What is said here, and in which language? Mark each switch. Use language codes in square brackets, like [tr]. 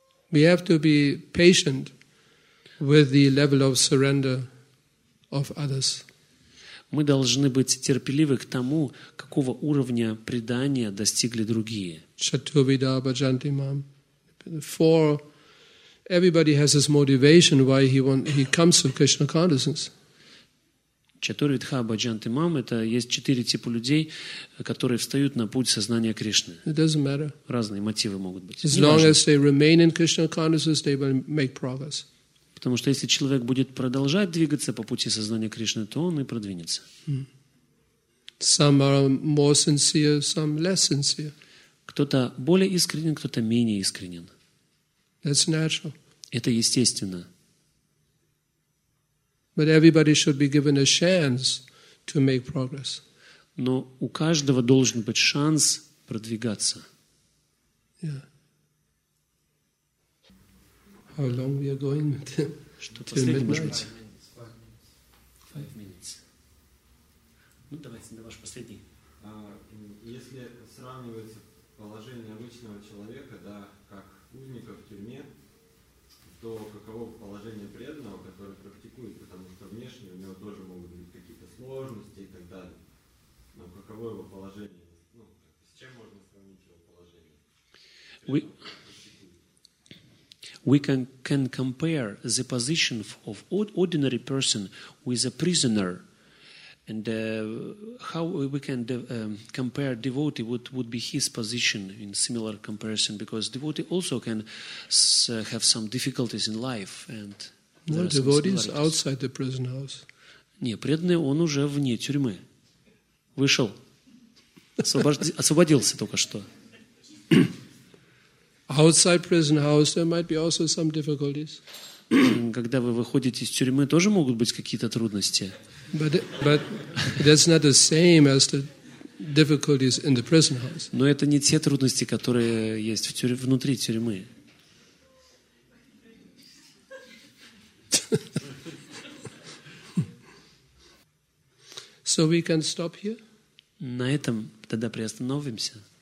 [en] We have to be patient with the level of surrender of others. [ru] Мы должны быть терпеливы к тому, какого уровня предания достигли другие. [en] Chaturvedibha Janti Mam. For everybody has his motivation why he comes to Krishna consciousness. [ru] Chaturvedibha Janti Mam – это есть четыре типа людей, которые встают на путь сознания Кришны. [en] It doesn't matter. [ru] Разные мотивы могут быть. [en] As long as they remain in Krishna consciousness, they will make progress. [ru] Потому что если человек будет продолжать двигаться по пути сознания Кришны, то он и продвинется. [en] Some are more sincere, some less sincere. [ru] Кто-то более искренен, кто-то менее искренен. [en] That's natural. [ru] Это естественно. [en] But everybody should be given a chance to make progress. [ru] Но у каждого должен быть шанс продвигаться. [en] Yeah. How long we are going to midnight? 5 minutes. [ru] Ну, давайте, на ваш последний. Если сравнивать положение обычного человека, да, как узника в тюрьме, то каково положение преданного, который практикует, потому что внешне у него тоже могут быть какие-то сложности и так далее. Но каково его положение? Ну, с чем можно сравнить его положение? [en] We can compare the position of ordinary person with a prisoner, and how we can compare devotee, what would be his position in similar comparison, because devotee also can have some difficulties in life. And no, devotee is outside the prison house. [ru] Не, преданный, он уже вне тюрьмы. Вышел. Освободился только что. [en] Outside prison house, there might be also some difficulties. [ru] Когда вы выходите из тюрьмы, тоже могут быть какие-то трудности. [en] But that's not the same as the difficulties in the prison house. [ru] Но это не те трудности, которые есть внутри тюрьмы. [en] So we can stop here. [ru] На этом тогда приостановимся.